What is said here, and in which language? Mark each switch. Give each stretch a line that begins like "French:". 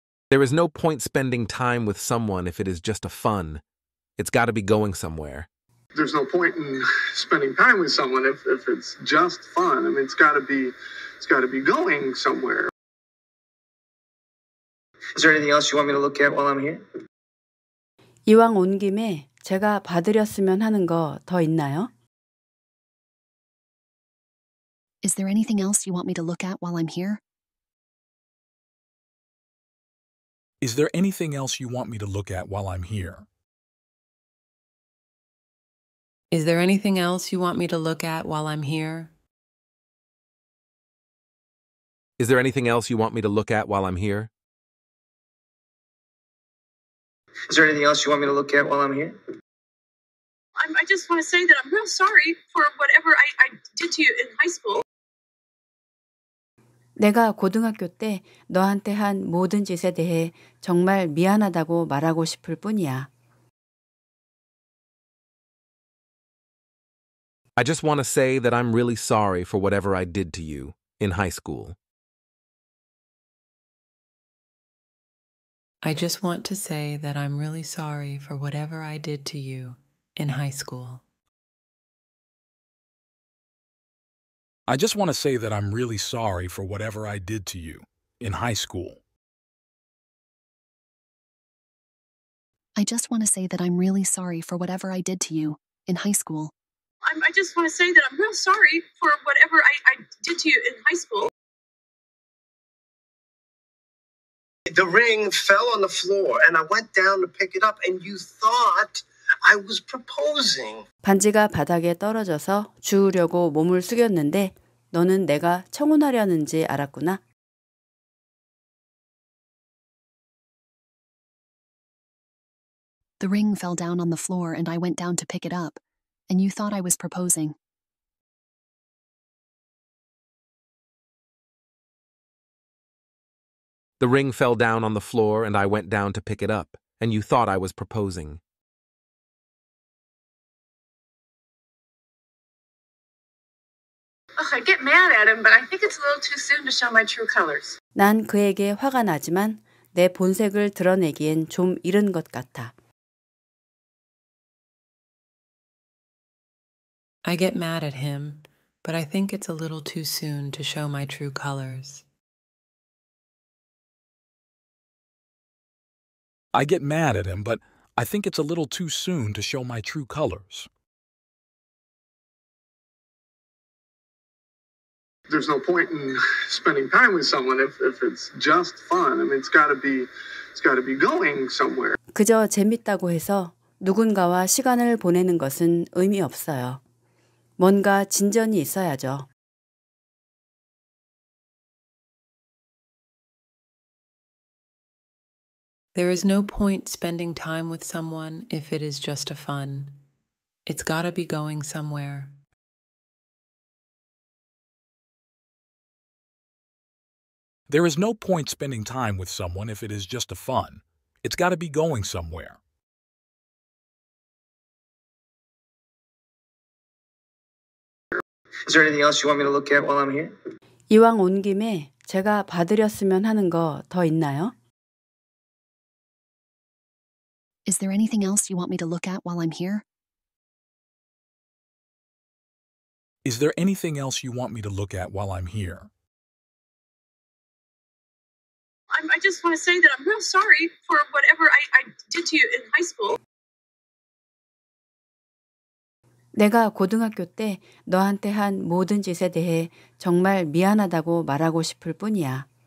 English: There is no point spending time with someone if it is just a fun. It's got to be going somewhere. There's no point in spending time with someone if it's just fun. I mean, it's got to be going somewhere. Is there anything else you want me to look at while I'm here?
Korean: 이왕 온 김에 제가 봐드렸으면 하는 거 더 있나요?
English: Is there anything else you want me to look at while I'm here? Is there anything else you want me to look at while I'm here? Is there anything else you want me to look at while I'm here? Is there anything else you want me to look at while I'm here? Is there anything else you want me to look at while I'm here? I just want to say that I'm real sorry for whatever I did to you in high school.
Korean: 내가 고등학교 때 너한테 한 모든 짓에 대해 정말 미안하다고 말하고 싶을 뿐이야.
English: I just want to say that I'm really sorry for whatever I did to you in high school. I just want to say that I'm really sorry for whatever I did to you in high school. I just want to say that I'm really sorry for whatever I did to you in high school. I just want to say that I'm really sorry for whatever I did to you in high school. I just want to say that I'm real sorry for whatever I did to you in high school. The ring fell on the floor and I went down to pick it up and you thought I was proposing.
Korean: 반지가 바닥에 떨어져서 주우려고 몸을 숙였는데 너는 내가 청혼하려는지 알았구나.
English: The ring fell down on the floor and I went down to pick it up and you thought I was proposing. The ring fell down on the floor and I went down to pick it up and you thought I was proposing. Ugh, I get mad at him, but I think it's a little too soon to show my true colors.
Korean: 난 그에게 화가 나지만 내 본색을 드러내기엔 좀 이른 것 같아.
English: I get mad at him, but I think it's a little too soon to show my true colors. I get mad at him, but I think it's a little too soon to show my true colors. There's no point in spending time with someone if it's just fun. I mean, it's got to be going somewhere.
Korean: 그저 재밌다고 해서 누군가와 시간을 보내는 것은 의미 없어요. 뭔가 진전이 있어야죠.
English: There is no point spending time with someone if it is just a fun. It's got to be going somewhere. There is no point spending time with someone if it is just a fun. It's got to be going somewhere. Is there anything else you want me to look at while I'm here?
Korean: 이왕 온 김에 제가 봐드렸으면 하는 거 더 있나요?
English: Is there anything else you want me to look at while I'm here? Is there anything else you want me to look at while I'm here? I just want to say that I'm real sorry for whatever I did to you in high school.
Korean: 내가 고등학교 때 너한테 한 모든 짓에 대해 정말 미안하다고 말하고 싶을 뿐이야.